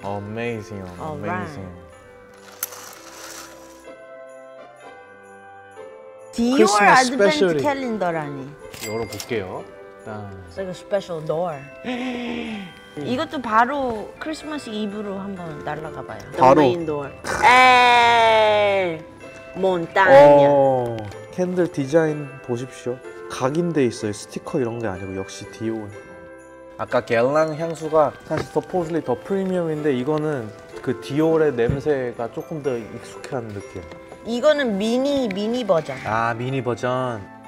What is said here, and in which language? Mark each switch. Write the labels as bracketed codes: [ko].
[en] Amazing, amazing. [ko] Dior Advent Calendar라니. 열어볼게요. 일단. [en] It's like a special door. [ko] 이것도 바로 크리스마스 이브로 한번 날아가 봐요. 바로. [en] The main door. [ko] 에이, 몬타냐. 캔들 디자인 보십시오. 각인돼 있어요. 스티커 이런 게 아니고 역시 디올. 아까 겔랑 향수가 사실 서포슬리 더 프리미엄인데 이거는 그 디올의 냄새가 조금 더 익숙한 느낌. 이거는 미니 버전. 아, 미니 버전.